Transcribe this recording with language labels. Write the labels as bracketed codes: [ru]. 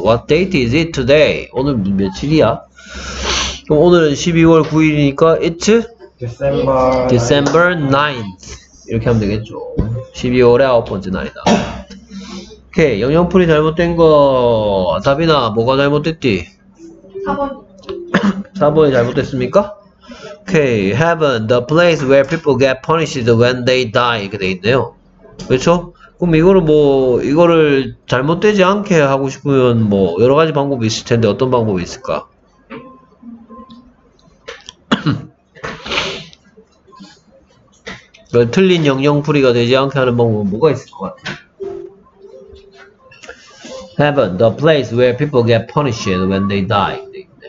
[en] What date is it today? [ko] 오늘 며칠이야? 그럼 오늘은 12월 9일이니까 [en] it's December [ko] 9th. 이렇게 하면 되겠죠. 12월의 9번째 날이다. 오케이. 영영풀이 잘못된 거 답이나 뭐가 잘못됐지? 4번. 4번이 잘못됐습니까? 오케이. [en] Heaven, the place where people get punished when they die. [ko] 이렇게 돼 있네요. 그렇죠? 그럼 이거를 뭐 이거를 잘못되지 않게 하고 싶으면 뭐 여러 가지 방법이 있을 텐데 어떤 방법이 있을까? 틀린 영영풀이가 되지 않게 하는 방법은 뭐가 있을 것 같아? [en] Heaven, the place where people get punished when they die.